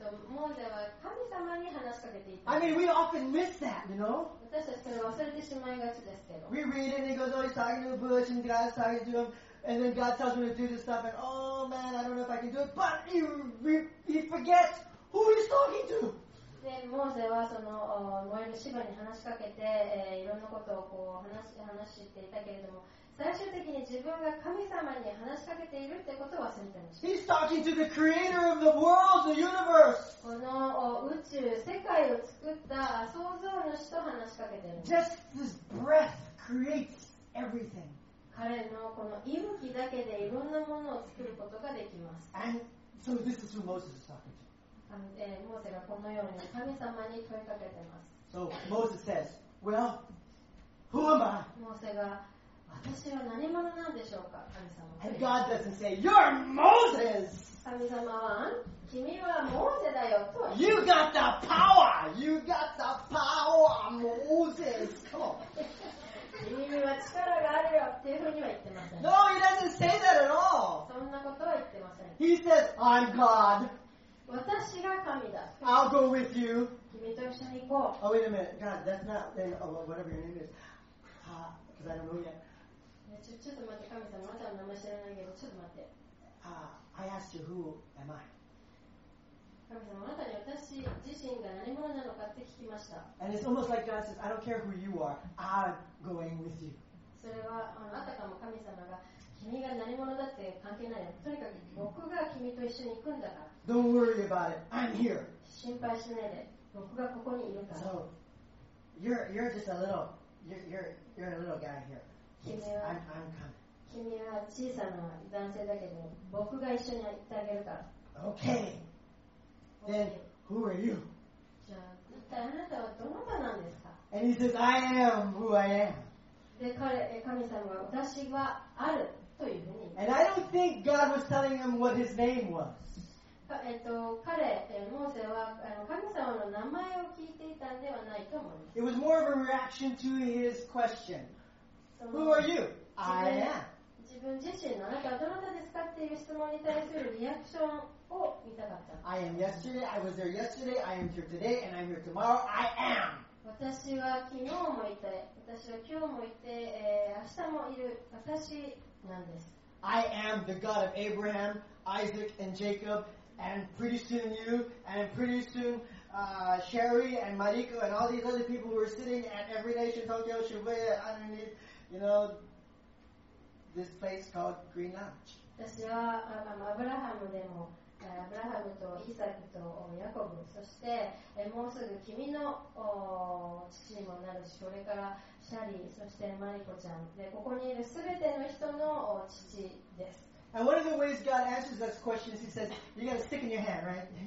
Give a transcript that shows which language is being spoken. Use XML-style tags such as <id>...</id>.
<ja>モーセは神様に話しかけていた。</ja> <en>I mean, we often miss that, you know.</en> <ja>私たちそれを忘れてしまいがちですけど。</ja> <en>We read and he goes, oh, he's talking to the bush and God's talking to him, and then God tells him to do this stuff, and oh man, I don't know if I can do it. But he forgets who he's talking to.</en> <ja>で、モーゼはその燃えるシバに話しかけて、いろんなことをこう話していたけれども、最終的に自分が神様に話しかけているってことを忘れてました。</ja> <en>He's talking to the creator of the world, the universe.</en> <ja>この宇宙、世界を作った創造主と話しかけているんです。</ja> <en>Just this breath creates everything.</en> <ja>彼のこの息吹だけでいろんなものを作ることができます。</ja> <en>And so this is who Moses is talking to.</en> <ja>モーセがこのように神様に問いかけています。</ja> <en>So Moses says, well, who am I?</en> <ja>モーセが私は何者なんでしょうか、神様。</ja> <en>And God doesn't say, "You're Moses."</en> <ja>神様は、君はモーゼだよと。</ja> <en>You got the power. You got the power, Moses. Come on.</en> <ja>君には力があるよっていうふうには言ってません。</ja> <en>No, he doesn't say that at all.</en> <ja>そんなことは言ってません。</ja> <en>He says, "I'm God."</en> <ja>私が神だ。</ja> <en>I'll go with you.</en> <ja>君と一緒に行こう。</ja> <en>Oh, wait a minute, God. That's not then. Oh, whatever your name is, because I don't know yet.</en> <ja>ちょっと待って、神様、まだ名前知らないけど、ちょっと待って。</ja> <en>I asked you, who am I?</en> <ja>神様、あなたに私自身が何者なのかって聞きました。</ja> <en>And it's almost like God says, I don't care who you are, I'm going with you.</en> <ja>それは、あたかも神様が、君が何者だって関係ないよ。とにかく、僕が君と一緒に行くんだから。</ja> <en>Don't worry about it, I'm here.</en> <ja>心配しないで、僕がここにいるから。</ja> <en>So, you're just a little guy here.</en> <ja>君は小さな男性だけど僕が一緒に行ってあげるから</ja> <en>Okay Then who are you?</en> <ja>じゃあ一体あなたはどなたなんですか</ja> <en>And he says I am who I am</en> <ja>で彼神様が私はあるというふうに</ja> <en>And I don't think God was telling him what his name was</en> <ja>彼モーセは神様の名前を聞いていたんではないと思います</ja> <en>It was more of a reaction to his question Who are you? I am</en> <ja>自分自身のあなたはどなたですかっていう質問に対するリアクションを見たかった</ja> <en>I am yesterday, I was there yesterday, I am here today, and I'm here tomorrow, I am</en> <ja>私は昨日もいて、私は今日もいて、明日もいる私なんです</ja> <en>I am the God of Abraham, Isaac, and Jacob, and pretty soon you, and pretty soon Sherry, and Mariko, and all these other people who are sitting at Every Nation Tokyo Shibuya underneath, you know,This place called Green Lodge.</en> <ja>私はアブラハムでもアブラハムとイサクとヤコブそしてもうすぐ君の父にもなるしこれからシャリーそしてマリコちゃんでここにいるすべての人の父です</ja> <en>And one of the ways God answers those questions He says, you got a stick in your hand, right?</en>